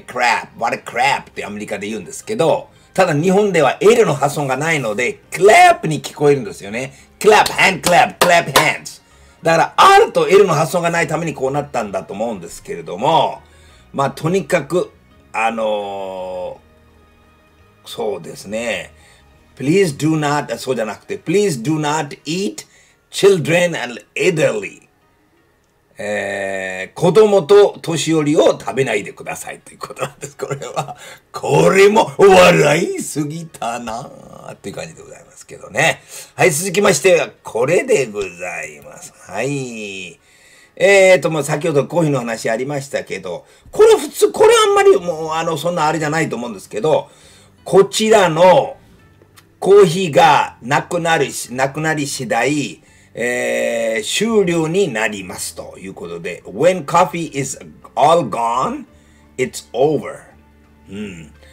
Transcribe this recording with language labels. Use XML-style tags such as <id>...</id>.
<ja>クラップ、</ja> <en>What a crap</en> <ja>ってアメリカで言うんですけど、ただ日本では L の発音がないので、クラップに聞こえるんですよね。クラップ、ハンドクラップ、クラップハンズ。だから R と L の発音がないためにこうなったんだと思うんですけれども、まあとにかく、そうですね。</ja> <en>Please do not,</en> <ja>そうじゃなくて、</ja> <en>Please do not eat children and elderly.</en> <ja>子供と年寄りを食べないでくださいということなんです。これは、これも笑いすぎたなぁっていう感じでございますけどね。はい、続きましては、これでございます。はい。もう先ほどコーヒーの話ありましたけど、これ普通、これあんまりもうそんなあれじゃないと思うんですけど、こちらのコーヒーがなくなり次第、終了になりますということで、</ja> <en>When coffee is all gone, it's over.</en>